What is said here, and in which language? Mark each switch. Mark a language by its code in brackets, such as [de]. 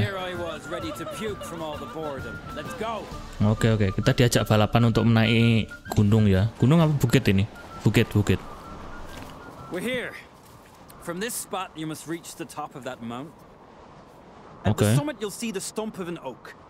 [en] Here I was ready to puke from all the boredom. Let's go. Okay. [id] Kita diajak balapan untuk menaiki gunung ya. Gunung apa bukit ini? Bukit. [en] We're here. From this spot, you must reach the top of that mount. At okay. the summit, you'll see the stump of an oak.